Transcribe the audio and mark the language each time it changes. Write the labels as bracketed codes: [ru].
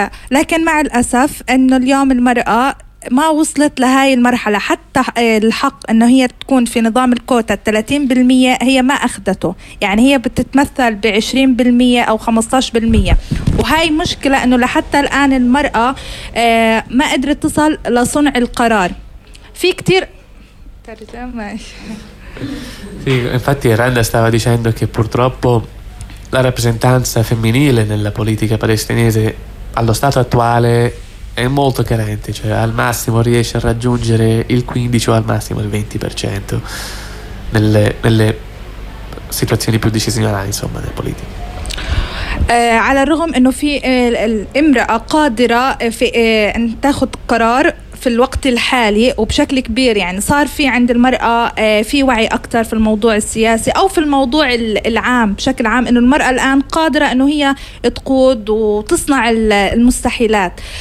[ar] لكن مع الأسف أنه اليوم المرأة ما وصلت لهاي المرحلة، حتى الحق أنه هي تكون في نظام الكوتا 30% هي ما أخذته، يعني هي بتتمثل ب20% أو 15%، وهاي مشكلة أنه لحتى الآن المرأة ما قدرت تصل لصنع القرار. في كتير في [it] infatti Randa stava dicendo che purtroppo la rappresentanza femminile nella politica palestinese allo stato attuale è molto carente, cioè al massimo riesce a raggiungere il 15 o al massimo il 20% nelle situazioni più decisionali, insomma, delle politiche. [ar] على الرغم انه في الامرأة قادرة في ان تاخد قرار في الوقت الحالي وبشكل كبير، يعني صار في عند المرأة في وعي أكتر في الموضوع السياسي أو في الموضوع العام بشكل عام، إنه المرأة الآن قادرة إنه هي تقود وتصنع المستحيلات.